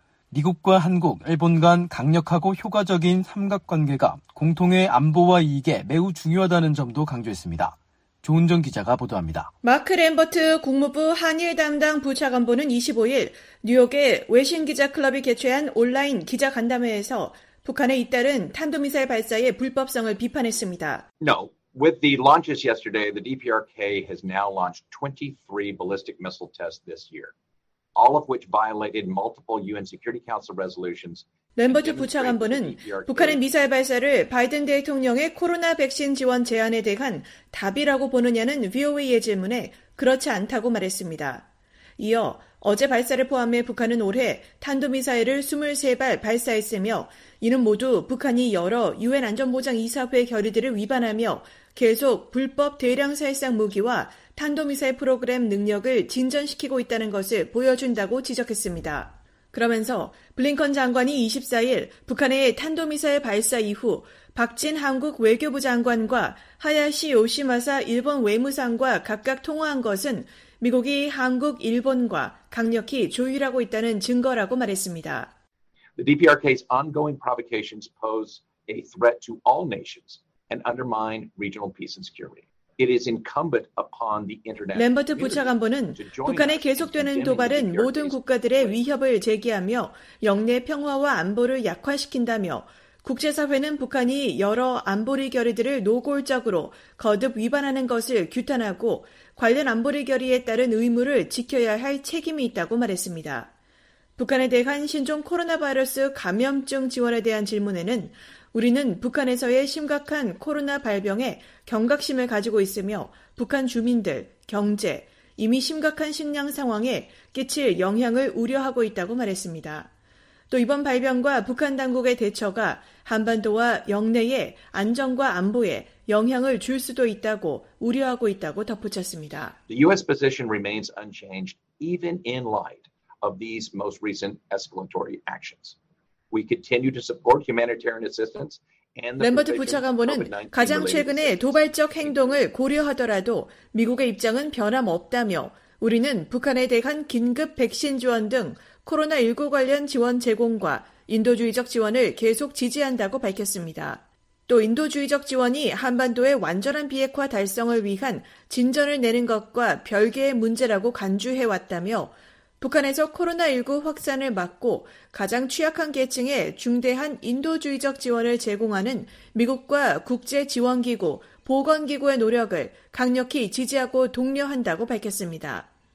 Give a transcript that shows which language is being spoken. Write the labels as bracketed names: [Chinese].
[Korean] 미국과 한국, 일본 간 강력하고 효과적인 삼각관계가 공통의 안보와 이익에 매우 중요하다는 점도 강조했습니다. 조은정 기자가 보도합니다. 마크 램버트 국무부 한일 담당 부차관보는 25일 뉴욕의 외신기자클럽이 개최한 온라인 기자간담회에서 북한의 잇따른 탄도미사일 발사의 불법성을 비판했습니다. [English] No. With the launches yesterday, the DPRK has now launched 23 ballistic missile tests this year, all of which violated multiple UN Security Council resolutions. [Korean] 램버트 부차관보는 북한의 미사일 발사를 바이든 대통령의 코로나 백신 지원 제안에 대한 답이라고 보느냐는 VOA의 질문에 그렇지 않다고 말했습니다. 이어 어제 발사를 포함해 북한은 올해 탄도미사일을 23발 발사했으며 이는 모두 북한이 여러 유엔 안전보장 이사회 결의들을 위반하며 계속 불법 대량 살상 무기와 탄도미사일 프로그램 능력을 진전시키고 있다는 것을 보여준다고 지적했습니다. 그러면서 블링컨 장관이 24일 북한의 탄도미사일 발사 이후 박진 한국 외교부 장관과 하야시 요시마사 일본 외무상과 각각 통화한 것은 미국이 한국, 일본과 강력히 조율하고 있다는 증거라고 말했습니다. [English] The DPRK's ongoing provocations pose a threat to all nations and undermine regional peace and security. It is incumbent upon the international. [Korean] 램버트 부차관보는 북한의 계속되는 도발은 모든 국가들의 위협을 제기하며 영내 평화와 안보를 약화시킨다며 국제사회는 북한이 여러 안보리 결의들을 노골적으로 거듭 위반하는 것을 규탄하고 관련 안보리 결의에 따른 의무를 지켜야 할 책임이 있다고 말했습니다. 북한에 대한 신종 코로나 바이러스 감염증 지원에 대한 질문에는 우리는 북한에서의 심각한 코로나 발병에 경각심을 가지고 있으며 북한 주민들, 경제, 이미 심각한 식량 상황에 끼칠 영향을 우려하고 있다고 말했습니다. 또 이번 발병과 북한 당국의 대처가 한반도와 영내의 안전과 안보에 영향을 줄 수도 있다고 우려하고 있다고 덧붙였습니다. [English] The US position remains unchanged even in light of these most recent escalatory actions. We continue to support humanitarian assistance and the [Korean] 램버트 부차관보는 가장 최근의 도발적 행동을 고려하더라도 미국의 입장은 변함없다며 우리는 북한에 대한 긴급 백신 지원 등 코로나19 관련 지원 제공과 인도주의적 지원을 계속 지지한다고 밝혔습니다. 또 인도주의적 지원이 한반도의 완전한 비핵화 달성을 위한 진전을 내는 것과 별개의 문제라고 간주해왔다며 북한에서 코로나19 확산을 막고 가장 취약한 계층에 중대한 인도주의적 지원을 제공하는 미국과 국제지원기구, 보건기구의 노력을 강력히 지지하고 독려한다고 밝혔습니다.